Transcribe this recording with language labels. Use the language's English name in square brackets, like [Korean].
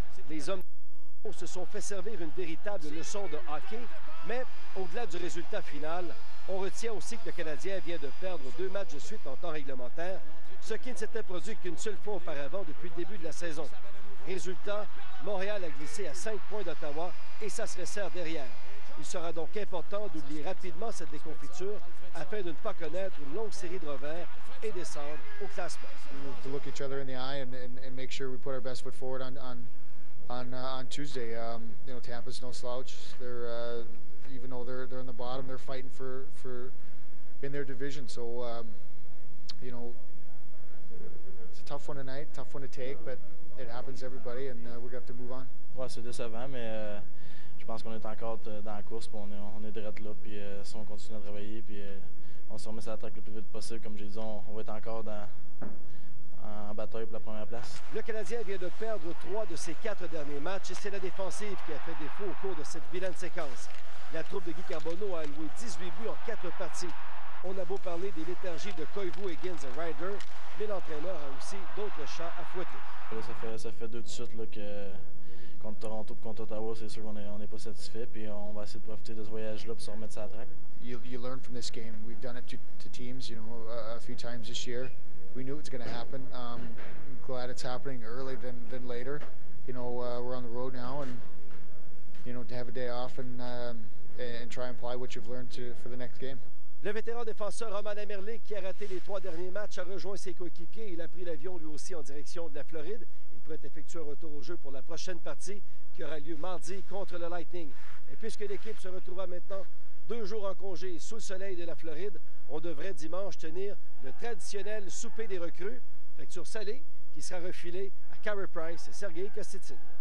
[French] Les hommes se sont fait servir une véritable leçon de hockey, mais au-delà du résultat final, on retient aussi que le Canadien vient de perdre 2 matchs de suite en temps réglementaire, ce qui ne s'était produit qu'une seule fois auparavant depuis le début de la saison. Résultat, Montréal a glissé à 5 points d'Ottawa et ça se resserre derrière. Il sera donc important d'oublier rapidement cette déconfiture afin de ne pas connaître une longue série de revers et descendre au classement. [English] To look each other in the eye and make sure we put our best foot forward on Tuesday. You know, Tampa's no slouch. Even though they're in the bottom, they're fighting for in their division. So, you know, it's a tough one tonight, tough one to take, but it happens to everybody, and we're going to have to move on. [French] Ouais, c'est décevant, mais je pense qu'on est encore dans la course, puis on est direct là, puis si on continue à travailler, puis on se remet sur l'attaque le plus vite possible, comme j'ai dit, on va être encore en bataille pour la première place. Le Canadien vient de perdre 3 de ses 4 derniers matchs, et c'est la défensive qui a fait défaut au cours de cette vilaine séquence. La troupe de Guy Carbonneau a alloué 18 buts en 4 parties. On a beau parler des léthargies de Koivu et Higgins et Ryder, mais l'entraîneur a aussi d'autres chats à fouetter. Là, ça fait 2 de suite là, que contre Toronto et contre Ottawa, c'est sûr qu'on n'est pas satisfait. Puis on va essayer de profiter de ce voyage-là pour se remettre ça à track. [English] You learn from this game. We've done it to teams, you know, a few times this year. We knew it was going to happen. I'm glad it's happening early than later. You know, we're on the road now and you know, to have a day off and try and apply what you've learned for the next game. [French] Le vétéran défenseur Roman Amerlik, qui a raté les 3 derniers matchs, a rejoint ses coéquipiers. Il a pris l'avion lui aussi en direction de la Floride. Il pourrait effectuer un retour au jeu pour la prochaine partie qui aura lieu mardi contre le Lightning. Et puisque l'équipe se retrouvera maintenant 2 jours en congé sous le soleil de la Floride, on devrait dimanche tenir le traditionnel souper des recrues, facture salée, qui sera refilé à Carey Price et Sergei Kostitin.